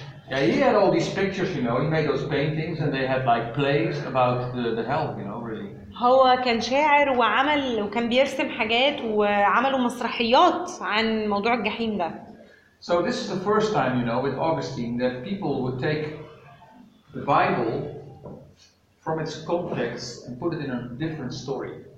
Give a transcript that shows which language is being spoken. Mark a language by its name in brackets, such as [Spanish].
[English] Yeah, he had all these pictures, you know. He made those paintings, and they had like plays about the hell, you know, really. [Arabic] هو كان شاعر وعمل وكان بيرسم حاجات وعملوا مسرحيات عن موضوع الجحيم ده. [English] So this is the first time, you know, with Augustine that people would take the Bible from its context and put it in a different story.